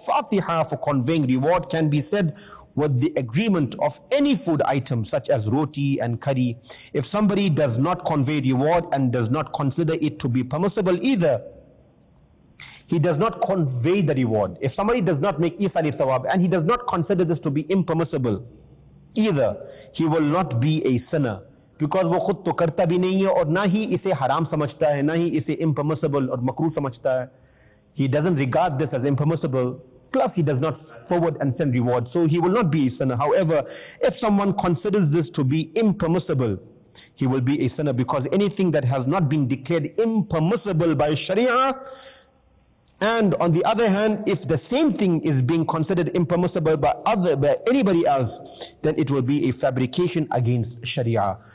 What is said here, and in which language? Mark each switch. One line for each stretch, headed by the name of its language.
English: Fatiha for conveying reward can be said with the agreement of any food item such as roti and curry. If somebody does not convey reward and does not consider it to be permissible either, he does not convey the reward. If somebody does not make Isal al-Thawab and he does not consider this to be impermissible either, he will not be a sinner. Because
Urdu: وہ خود تو کرتا بھی نہیں ہے اور نہ ہی اسے حرام سمجھتا ہے نہ ہی اسے impermissible اور مکروہ سمجھتا ہے.
English: He doesn't regard this as impermissible. Plus he does not forward and send reward. So he will not be a sinner. However, if someone considers this to be impermissible, he will be a sinner, because anything that has not been declared impermissible by Sharia, and on the other hand, if the same thing is being considered impermissible by anybody else, then it will be a fabrication against Sharia.